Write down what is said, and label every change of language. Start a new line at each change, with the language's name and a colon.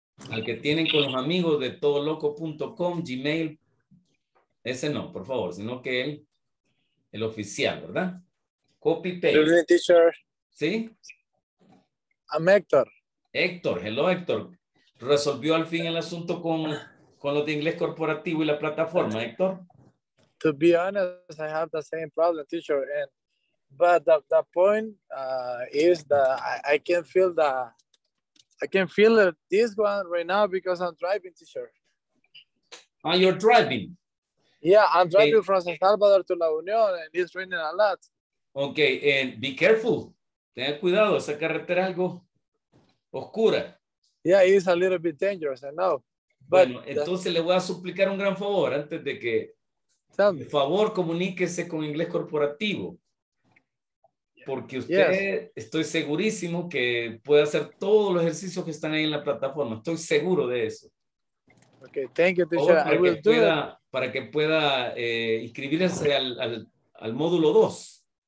Spanish: Al que tienen con los amigos de todoloco.com, Gmail, ese no, por favor, sino que el oficial, ¿verdad?
English: Copy paste. Good evening, teacher.
Spanish: ¿Sí?
English: I'm Héctor. Héctor, hello, Héctor.
Spanish: ¿Resolvió al fin el asunto con los de inglés corporativo y la plataforma, Héctor?
English: To be honest, I have the same problem, teacher. But the point is that I can feel this one right now because I'm driving, teacher. Oh, you're driving? Yeah, I'm driving okay. From San Salvador to La Unión, and it's raining a lot. Okay, and be careful.
Spanish: Tenga cuidado, esa carretera algo oscura.
English: Yeah, it's a little bit dangerous, I know.
Spanish: But bueno, entonces le voy a suplicar un gran favor antes de que. Por favor, comuníquese con inglés corporativo, porque usted, yes. Estoy segurísimo que puede hacer todos los ejercicios que están ahí en la plataforma. Estoy seguro de eso.
English: Okay, thank you, teacher.
Spanish: Para,
English: I will
Spanish: que pueda, do para que pueda inscribirse al módulo 2.